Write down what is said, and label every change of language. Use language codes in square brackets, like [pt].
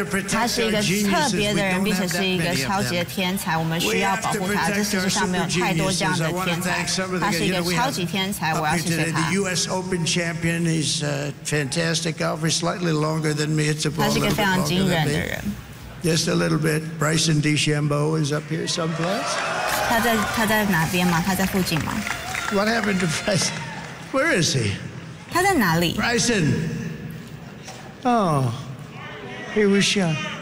[zh] 他是一个特别的人，并且是一个超级的天才，我们需要保护他。这世界上没有太多这样的天才，他是一个超级天才，我要谢谢他。 [en] US Open champion is fantastic golfer, slightly longer than me. [zh] 他是一个非常惊人的人。 [en] Just a little bit. Bryson DeChambeau is up here someplace. [zh] 他在哪边吗？他在附近吗 [en] ？What happened to Bryson? Where is he? [zh] 他在哪里 [en] ？Bryson. Oh, he was shot.